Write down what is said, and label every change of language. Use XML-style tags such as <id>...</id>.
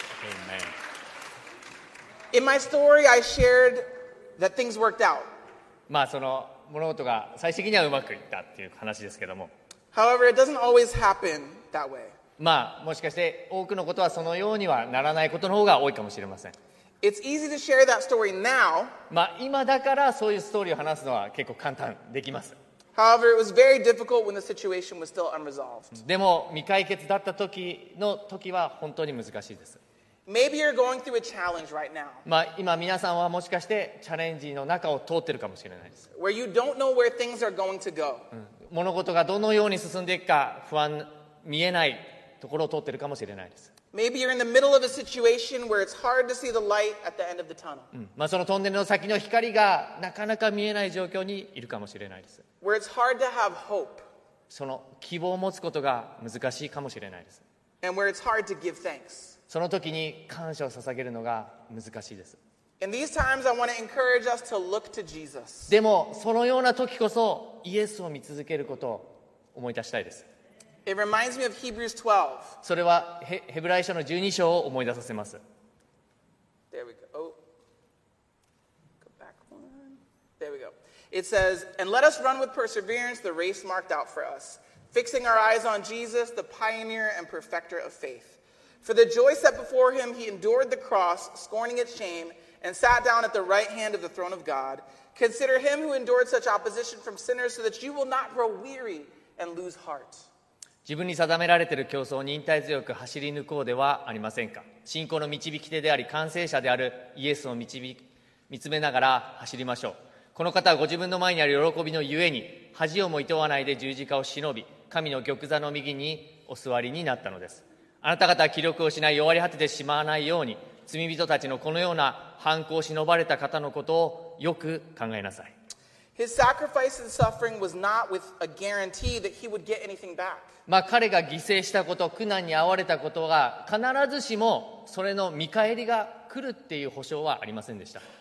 <en>Amen. In my story, I shared that things worked out.</en> <ja>まあその物事が最終的にはうまくいったっていう話ですけども。</ja> <en>However, it doesn't always happen that way.</en> <ja>まあもしかして多くのことはそのようにはならないことの方が多いかもしれません。</ja> <en>It's easy to share that story now.</en> <ja>まあ今だからそういうストーリーを話すのは結構簡単できます。</ja> <en>However, it was very difficult when the situation was still unresolved.</en> <ja>でも未解決だった時の時は本当に難しいです。</ja> <en>Maybe you're going through a challenge right now.</en> <ja>まあ今皆さんはもしかしてチャレンジの中を通ってるかもしれないです。</ja> <en>Where you don't know where things are going to go.</en> <ja>物事がどのように進んでいくか不安見えないところを通ってるかもしれないです。</ja> <en>Maybe you're in the middle of a situation where it's hard to see the light at the end of the tunnel.</en> <ja>まあそのトンネルの先の光がなかなか見えない状況にいるかもしれないです。</ja> <en>Where it's hard to have hope.</en> <ja>その希望を持つことが難しいかもしれないです。</ja> <en>And where it's hard to give thanks.</en> <ja>その時に感謝を捧げるのが難しいです。</ja> <en>In these times, I want to encourage us to look to Jesus.</en> <ja>でもそのような時こそイエスを見続けることを思い出したいです。</ja> <en>It reminds me of Hebrews 12.</en> <ja>それはヘブライ書の12章を思い出させます。</ja> <en>There we go. Oh. Go back one. There we go. It says, "And let us run with perseverance the race marked out for us, fixing our eyes on Jesus, the pioneer and perfecter of faith." For the joy set before him, he endured the cross, scorning its shame, and sat down at the right hand of the throne of God. Consider him who endured such opposition from sinners so that you will not grow weary and lose heart.</en> <ja>自分に定められている競争を忍耐強く走り抜こうではありませんか。信仰の導き手であり完成者であるイエスを見つめながら走りましょう。この方はご自分の前にある喜びのゆえに、恥をも厭わないで十字架を忍び、神の玉座の右にお座りになったのです。あなた方は気力を失い弱り果ててしまわないように罪人たちのこのような反抗を忍ばれた方のことをよく考えなさい。</ja> <en>His sacrifice and suffering was not with a guarantee that he would get anything back.</en> <ja>まあ彼が犠牲したこと、苦難に遭われたことが必ずしもそれの見返りが来るっていう保証はありませんでした。</ja>